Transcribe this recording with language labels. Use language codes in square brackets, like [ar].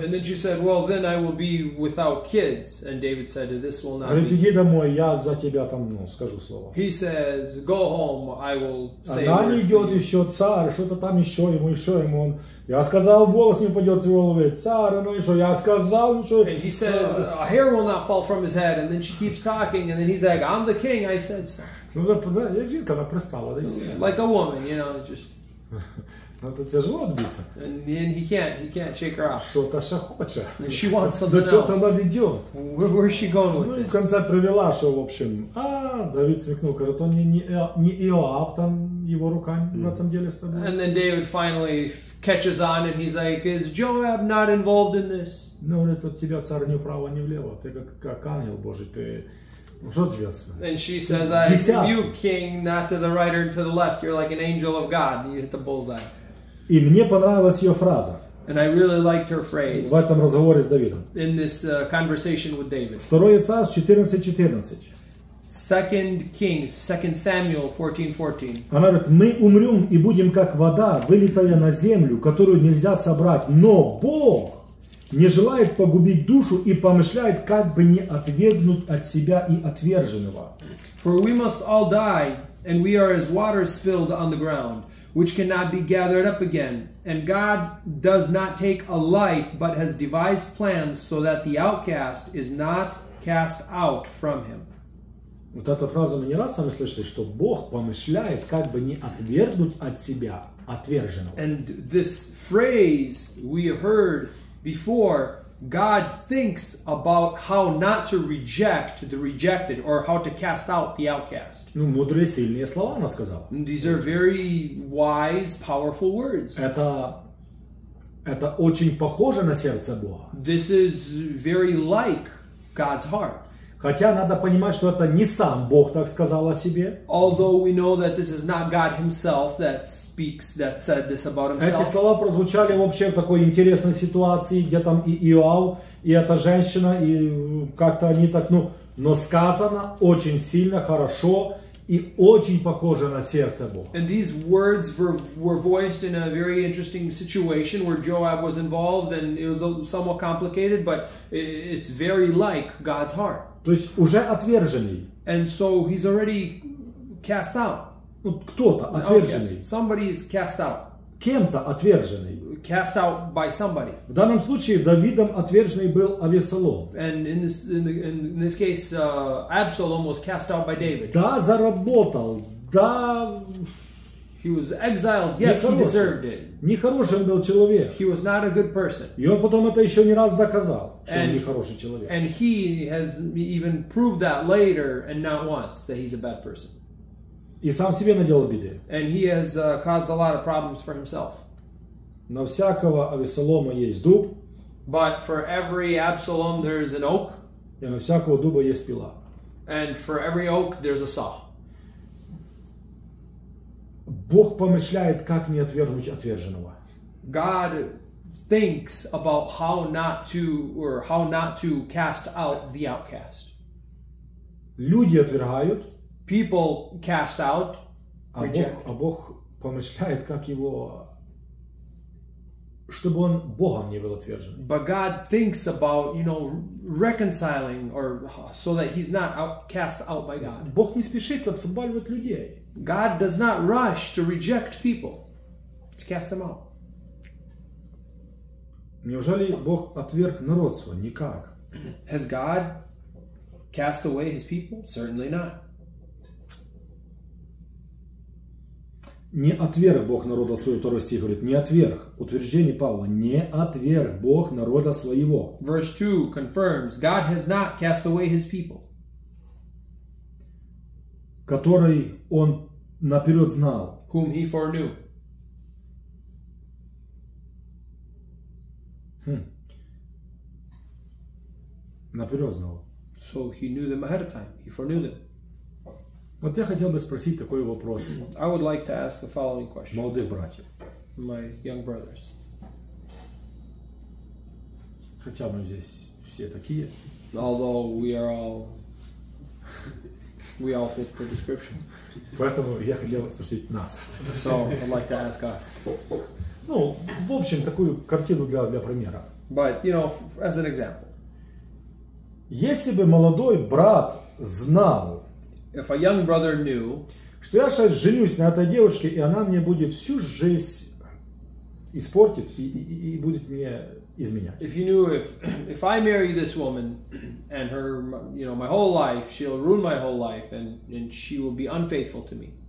[en] And then she said, well, then I will be without kids. And David said, this will not [ru] говорит, [en] be. [ru] Иди домой, я за тебя там, ну, скажу слово. [en] He says, go home, I will say. [ru] Она идет еще, царь, что-то там еще ему. Он, я сказал, волос не пойдет с его головы, царь, ну и что, я сказал, что. [en] And he says, a hair will not fall from his head. And then she keeps talking, and then he's like, I'm the king, I said, sir. [ru] Ну да, я жилка, она пристала, да и все. [en] Like a woman, you know, just. [ru] Это тяжело отбиться. [en] And he can't shake her off. [ru] Что-то ша хочет. [en] And she wants something else. [ru] Да что-то она ведет. [en] Where is she going with this? [ru] Ну, в конце привела, что, в общем, Давид смекнул, говорит, он не Иоав там его руками в этом деле с тобой. [en] And then David finally catches on and he's like, is Joab not involved in this? [ru] Ну, говорит, от тебя царь ни вправо, ни влево. Ты как ангел Божий, ты... [en] And she says, I rebuke king, not to the right or to the left. You're like an angel of God. You hit the bullseye. [ru] И мне понравилась ее фраза. [en] And I really liked her phrase. [ru] В этом разговоре с Давидом. [en] In this conversation with David. [ru] Второе царство 14:14. [en] Second Kings, Second Samuel 14:14. [ru] Она говорит, мы умрем и будем как вода, вылитая на землю, которую нельзя собрать. Но Бог не желает погубить душу и помышляет, как бы не отвергнуть от себя и отверженного. [en] For we must all die, and we are as water spilled on the ground, which cannot be gathered up again. And God does not take a life, but has devised plans so that the outcast is not cast out from him. [ru] Вот эту фразу мы не раз с вами слышали, что Бог помышляет, как бы не отвергнуть от себя отверженного. [en] And this phrase we heard before, God thinks about how not to reject the rejected or how to cast out the outcast. [ru] Ну, мудрые, сильные слова, она сказала. [en] And these are very wise, powerful words. [ru] Это очень похоже на сердце Бога. [en] This is very like God's heart. [ru] Хотя надо понимать, что это не сам Бог так сказал о себе. [en] Although we know that this is not God himself that speaks, that said this about himself. [ru] Эти слова прозвучали вообще в такой интересной ситуации, где там и Иоав, и эта женщина, и как-то они так, ну, но сказано очень сильно, хорошо и очень похоже на сердце Бога. [en] And these words were voiced in a very interesting situation where Joab was involved and it was somewhat complicated, but it's very like God's heart. [ru] То есть уже отверженный. [en] And so he's already cast out. [ru] Ну, кто-то отверженный. [en] Okay. Somebody is cast out. [ru] Кем-то отверженный. [en] Cast out by somebody. [ru] В данном случае Давидом отверженный был Авессалом. [en] And in this case, Absalom was cast out by David. [ru] Да, заработал. Да. [en] He was exiled. Yes, [ru] нехороший. [en] He deserved it. [ru] Нехороший был человек. [en] He was not a good person. [ru] И он потом это еще не раз доказал, что он нехороший человек. [en] And he has even proved that later and not once that he's a bad person. [ru] И сам себе наделал беды. [en] And he has caused a lot of problems for himself. [ru] На всякого Авессалома есть дуб. [en] But for every Absalom there is an oak. [ru] И на всякого дуба есть пила. [en] And for every oak there's a saw. [ru] Бог помышляет, как не отвергнуть отверженного. [en] God thinks about how not to cast out the outcast. [ru] Люди отвергают. [en] People cast out. [ru] А Бог помышляет, как его, чтобы он Богом не был отвержен. [en] But God thinks about, you know, reconciling or so that he's not cast out by God. [ru] Бог не спешит отвергать людей. [en] God does not rush to reject people, to cast them out. [ru] Неужели Бог отверг народ свой? Никак. [en] Has God cast away his people? Certainly not. [ru] Не отверг Бог народа своего, второй стих говорит, не отверг. Утверждение Павла, не отверг Бог народа своего. [en] Verse 2 confirms, God has not cast away his people. [ru] Который он наперед знал. [en] Whom he foreknew. [ru] Наперед знал. [en] So he knew them ahead of time. He foreknew them. [ru] Вот я хотел бы спросить такой вопрос. [en] I would like to ask the following question. [ru] Молодых братьев. [en] My young brothers. [ru] Хотя мы здесь все такие. [en] Although we all fit the description. [ru] Поэтому я хотел бы спросить нас. [en] So I'd like to ask us. [ru] Ну, в общем, такую картину для примера. [en] But, you know, as an example. [ru] Если бы молодой брат знал, [en] if a young brother knew, [ru] что я сейчас женюсь на этой девушке, и она мне будет всю жизнь испортит и будет мне изменять. [en] If you knew, if I marry this woman and her, you know, my whole life, she'll ruin my whole life and she will be unfaithful to me.